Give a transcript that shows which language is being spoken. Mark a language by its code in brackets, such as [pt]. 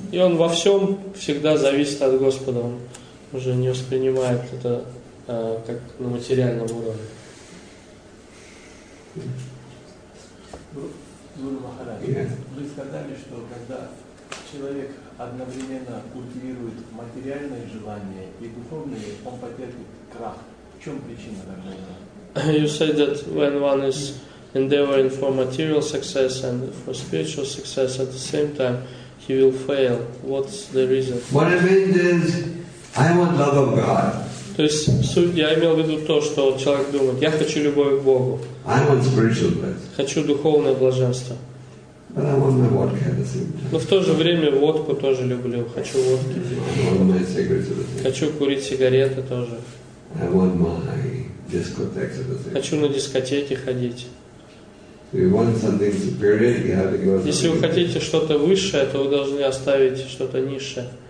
[ru] И он во всем всегда зависит от Господа. Он уже не воспринимает это как на материальном уровне. Гуру Махарадж, вы сказали, что когда человек одновременно культивирует материальные желания и духовные, он потерпит крах. В чем причина такого? [en] You said that when one is endeavoring for material success and for spiritual success at the same time, he will fail. What's the reason? What I mean is, I want love of God. [ru] То есть суть, я имел в виду то, что человек думает, я хочу любовь к Богу. [en] I want spiritual bliss. [ru] Хочу духовное блаженство. [en] But I want my vodka at the same time. [ru] Но в то же время водку тоже люблю. Хочу водки. [en] I want my cigarettes. [ru] Хочу курить сигареты тоже. [en] I want my discotheques at the same time. [ru] Хочу на дискотеке ходить. [en] If you want something superior, you have to give something superior. [ru] Если вы хотите что-то высшее, то вы должны оставить что-то низшее.